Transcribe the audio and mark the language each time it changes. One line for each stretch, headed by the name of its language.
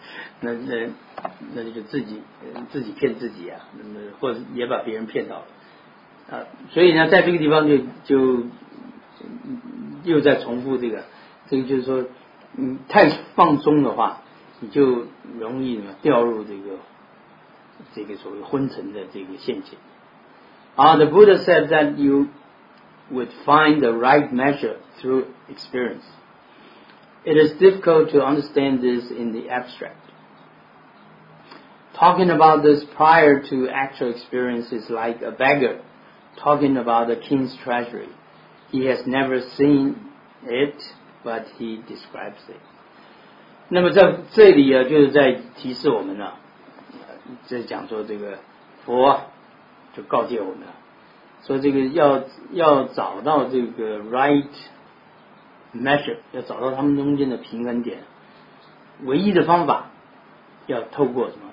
Chinese: 那就自己骗自己啊，或者也把别人骗到了啊。所以呢，在这个地方就又在重复这个就是说，你太放松的话，你就容易掉入这个所谓昏沉的这个陷阱。
English: The Buddha said that you would find the right measure through experience. It is difficult to understand this in the abstract. Talking about this prior to actual experience is like a beggar talking about the king's treasury. He has never seen it, but he describes it.
Chinese: 那么在这里啊，就是在提示我们呢、啊，在讲说这个佛就告诫我们，说这个要找到这个
English: right measure，
Chinese: 要找到他们中间的平衡点，唯一的方法要透过什么？